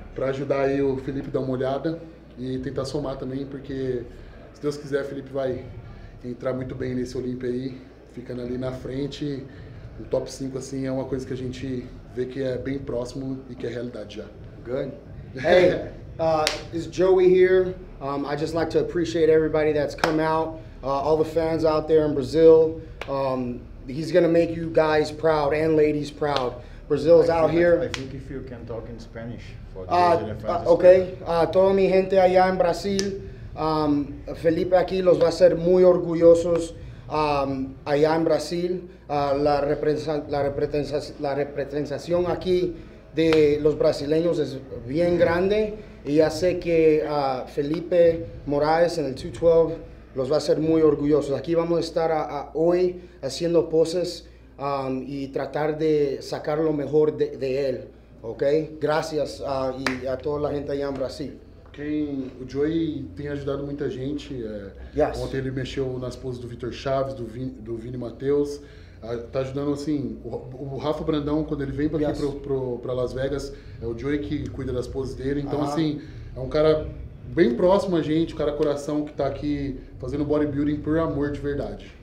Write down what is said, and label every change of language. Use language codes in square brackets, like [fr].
[pt] para ajudar aí o Felipe a dar uma olhada e tentar somar também, porque se Deus quiser, o Felipe vai entrar muito bem nesse Olympia aí, ficando ali na frente. O top 5, assim, é uma coisa que a gente vê que é bem próximo e que é realidade já. [en] Good. Hey, is Joey here? I'd just like to appreciate everybody that's come out, all the fans out there in Brazil. He's gonna make you guys proud and ladies proud. Brazil's out I here. think if you can talk in Spanish for the Okay. [es] Toda mi gente allá en Brasil, Felipe aquí los va a hacer muy orgullosos allá en Brasil. La representación aquí de los brasileños es bien grande y ya sé que Felipe Moraes en el 212 los va a hacer muy orgullosos. Aquí vamos a estar hoy haciendo poses y tratar de sacar lo mejor de él, ¿ok? Gracias y a toda la gente allá en Brasil. [pt] O Joey tem ajudado muita gente. [en] Yes. [pt] Ontem ele mexeu nas poses do Vitor Chaves, do Vini Matheus. Tá ajudando assim. O Rafa Brandão, quando ele vem aqui [en] Yes. [pt] para Las Vegas, é o Joey que cuida das poses dele. Então, assim, é um cara bem próximo a gente, o cara coração que tá aqui fazendo bodybuilding por amor de verdade.